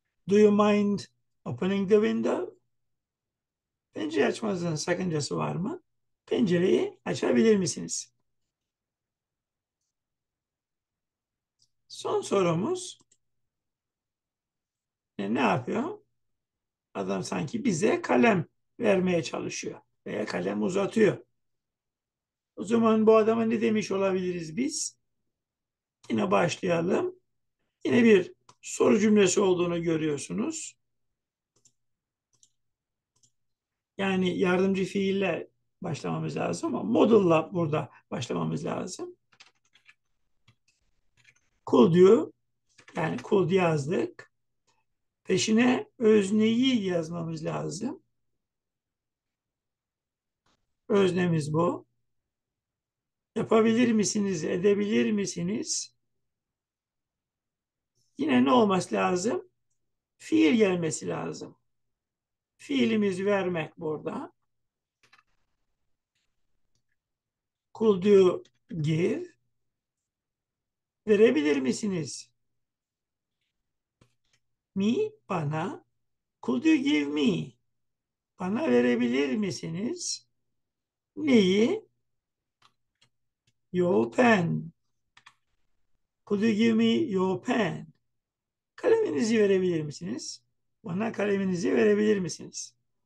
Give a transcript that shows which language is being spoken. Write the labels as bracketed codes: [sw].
[en] Do you mind opening the window? [tr] Pencere açmanızın sakıncası var mı? Pencereyi açabilir misiniz? Son sorumuz. Ne yapıyor? Adam sanki bize kalem vermeye çalışıyor veya kalem uzatıyor. O zaman bu adama ne demiş olabiliriz biz? Yine başlayalım. Yine bir soru cümlesi olduğunu görüyorsunuz. Yani yardımcı fiille başlamamız lazım ama modulla burada başlamamız lazım. [en] Could you, [tr] yani could yazdık. Peşine özneyi yazmamız lazım. Öznemiz bu. Yapabilir misiniz, edebilir misiniz? Yine ne olması lazım? Fiil gelmesi lazım. Fiilimizi vermek burada. [en] Could you give? [tr] Verebilir misiniz? [en] Me, [tr] bana. [en] Could you give me? [tr] Bana verebilir misiniz? Neyi? [en] Your pen. Could you give me your pen? [tr] Kaleminizi verebilir misiniz? Bana kaleminizi verebilir misiniz? [en] That's